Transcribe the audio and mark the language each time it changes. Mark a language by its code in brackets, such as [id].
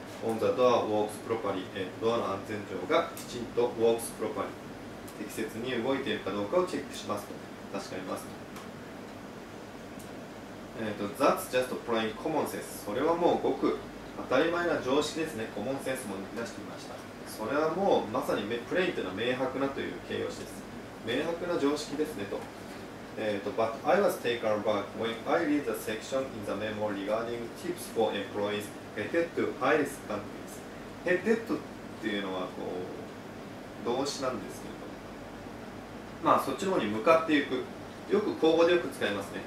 [en] On the door works properly、 [ja] ドアの安全錠がきちんと [en] works properly、 [ja] 適切に動いているかどうかをチェックしますと。確かにますと。 [en] That's just plain common sense、 [ja] それはもうごく当たり前な常識ですね。 [en] common sense [ja] も出してみました。それはもうまさにプレインというのは明白なという形容詞です。明白な常識ですねと。 [en] But I was taken aback when I read the section in the memo regarding tips for employees headed to high risk countries。 [ja] headed っていうのはこう動詞なんですけど、そっちの方に向かっていく、よく口語でよく使いますね。